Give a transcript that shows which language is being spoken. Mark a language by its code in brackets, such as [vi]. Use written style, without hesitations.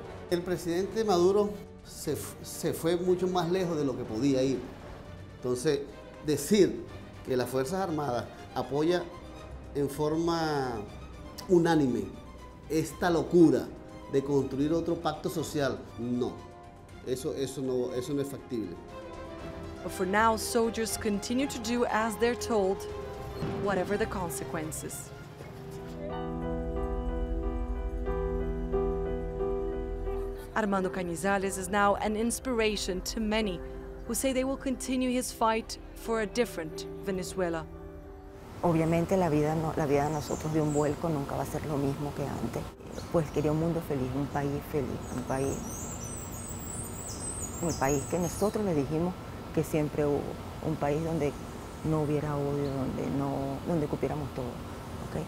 [es] El presidente Maduro se fue mucho más lejos de lo que podía ir. Entonces, decir que las Fuerzas Armadas apoya en forma unánime esta locura de construir otro pacto social, no. Eso no es factible. [en] But for now, soldiers continue to do as they're told, whatever the consequences. Armando Canizales is now an inspiration to many who say they will continue his fight for a different Venezuela. [es] Obviamente la vida de nosotros dio un vuelco, nunca va a ser lo mismo que antes. Pues quería un mundo feliz, un país que nosotros le dijimos que siempre hubo, un país donde no hubiera odio, donde cupiéramos todo, ¿okay?